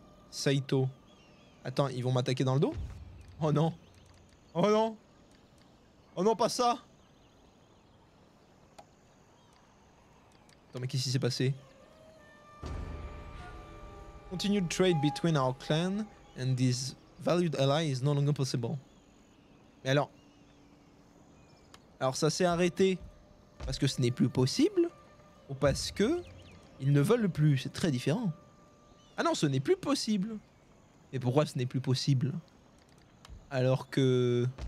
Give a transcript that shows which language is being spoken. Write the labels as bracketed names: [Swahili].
[French] Saito. Attends, ils vont m'attaquer dans le dos? Oh non. Oh non. Oh non, pas ça. Attends, mais qu'est-ce qui s'est passé? [English] Continued trade between our clan and this valued ally is no longer possible. [French] Mais alors... Alors ça s'est arrêté parce que ce n'est plus possible ou parce que ils ne veulent plus? C'est très différent. Ah non, ce n'est plus possible. Et pourquoi ce n'est plus possible? Alors que...